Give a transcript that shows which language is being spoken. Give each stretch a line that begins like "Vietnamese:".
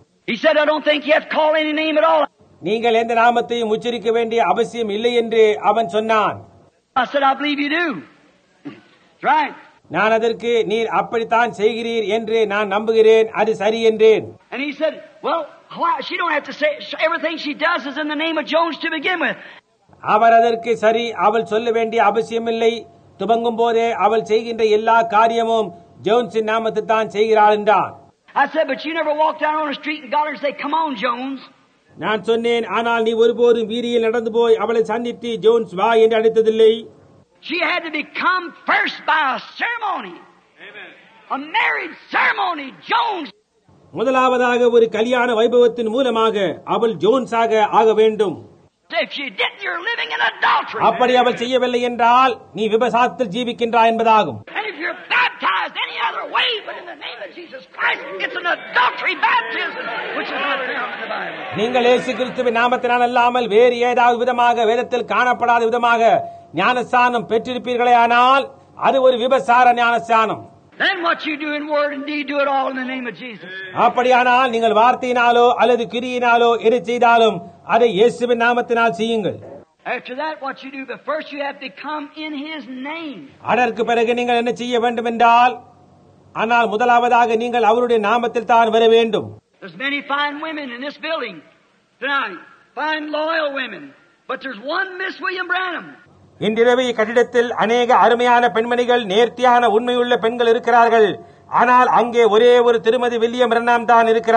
English: He said, I don't think you have to call any name at all.
Tamil: நீங்கள் எந்த நாமத்தையும் உச்சரிக்க வேண்டிய அவசியம் இல்லை என்று அவன் சொன்னான்.
English: I said, I believe you do. Right.
Tamil: நான் அதற்கு நீர் அப்படித்தான் செய்கிறீர் என்று நான் நம்புகிறேன், அது சரி என்றேன்.
English: And he said, well, she don't have to say, everything she does is in the name of Jones to begin with.
Tamil: அவர் அதற்கு சரி, அவள் சொல்ல வேண்டிய அவசியம் இல்லை, துவங்கும் போதே அவள் செய்கின்ற எல்லா காரியமும் ஜோன்ஸின் நாமத்தில் தான் செய்கிறாள் என்றான்.
English: I said, but you never walked down on the street and got her to say, come on, Jones.
Tamil: நான் சொன்னேன், ஆனால் நீ ஒருபோதும் வீதியில் நடந்து போய் அவளை சந்தித்து ஜோன்ஸ் வா என்று அழைத்ததில்லை.
English: She had to become first by a ceremony. Amen. A marriage ceremony, Jones.
Tamil: முதலாவதாக ஒரு கல்யாண வைபவத்தின் மூலமாக அவள் ஜோன்ஸாக ஆக வேண்டும்.
English: If she didn't, you're living in adultery.
Tamil: அப்படி அவள் செய்யவில்லை என்றால் நீ விபசாரத்தில் ஜீவிக்கின்றாய் என்பதாகும்.
English: And if you're baptized any other way but in the name of Jesus Christ, it's an adultery baptism, which is not found in the Bible.
Tamil: நீங்கள் இயேசு கிறிஸ்துவின் நாமத்தினால் அல்லாமல் வேறு ஏதாவது விதமாக வேதத்தில் காணப்படாத விதமாக ஞானஸ்தானம் பெற்றிருப்பீர்களே ஆனால் அது ஒரு விபசார ஞானஸ்தானம்.
English: Then what you do in word and deed, do it all in the name of Jesus.
Tamil: அப்படியானால் நீங்கள் வார்த்தையினாலோ அல்லது கிரியினாலோ எது செய்தாலும் அதை இயேசுவின் நாமத்தினால் செய்யுங்கள்.
English: After that, what you do, but first you have to come in His name.
Tamil: அதற்கு பிறகு நீங்கள் என்ன செய்ய வேண்டும் என்றால், ஆனால் முதலாவதாக நீங்கள் அவருடைய நாமத்தில் தான் வர வேண்டும்.
English: There's many fine women in this building tonight, fine loyal women, but there's one Miss William Branham.
Tamil: இன்றிரவு இக்கட்டிடத்தில் அநேக அருமையான பெண்மணிகள், நேர்த்தியான உண்மையுள்ள பெண்கள் இருக்கிறார்கள். ஆனால் அங்கே ஒரே ஒரு திருமதி வில்லியம் பிரனாம் தான்